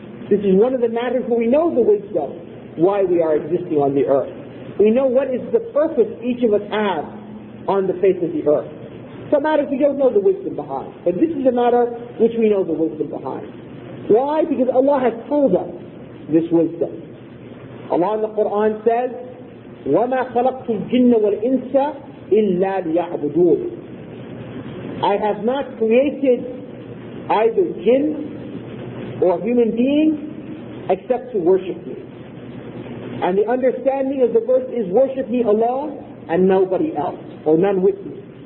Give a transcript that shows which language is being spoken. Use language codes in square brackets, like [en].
[en] This is one of the matters where we know the wisdom, why we are existing on the earth. We know what is the purpose each of us have on the face of the earth. Some matters we don't know the wisdom behind, but this is a matter which we know the wisdom behind. Why? Because Allah has told us this wisdom. Allah in the Quran says, [ar] وَمَا خَلَقْتُ الْجِنَّ وَالْإِنسَ إِلَّا لِيَعْبُدُونَ. [en] I have not created either jinn or human being except to worship me. And the understanding of the verse is worship me alone and nobody else, or none with me.